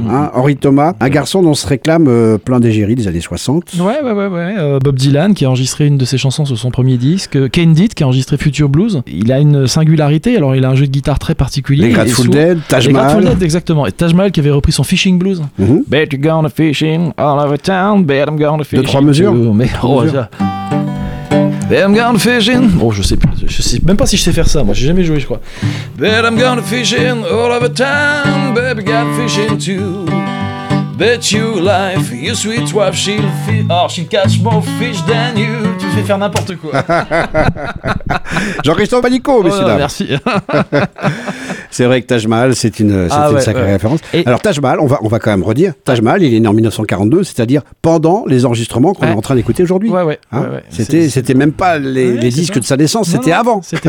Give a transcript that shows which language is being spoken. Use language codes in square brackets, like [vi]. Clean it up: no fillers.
[fr] Hein, Henri Thomas, un garçon dont se réclame plein d'égéries des années 60. Ouais. Bob Dylan, qui a enregistré une de ses chansons sur son premier disque. Kane Ditt, qui a enregistré Future Blues. Il a une singularité. Alors, il a un jeu de guitare très particulier. Les Grateful Dead, Taj Mahal. Les Grateful Dead, exactement. Et Taj Mahal, qui avait repris son Fishing Blues. Mm-hmm. [en] Bet you're gonna fishing all over town. Bet I'm gonna fishing. [fr] De trois mesures. [en] I'm gonna fishing. [fr] Bon, je sais plus, je sais même pas si je sais faire ça. Moi, j'ai jamais joué, je crois. [en] But I'm gonna fishing all over town, baby, got fishing too. Bet you life, your sweet wife, she'll fish. Oh, she'll catch more fish than you. [fr] Tu fais faire n'importe quoi. Jean-Christophe Panico, messieurs dames. Merci. C'est vrai que Taj Mahal, c'est une sacrée référence. Et alors Taj Mahal, on va quand même redire, Taj Mahal, il est né en 1942, c'est-à-dire pendant les enregistrements qu'on est en train d'écouter aujourd'hui. Ouais. C'était même pas les disques de sa naissance, c'était avant.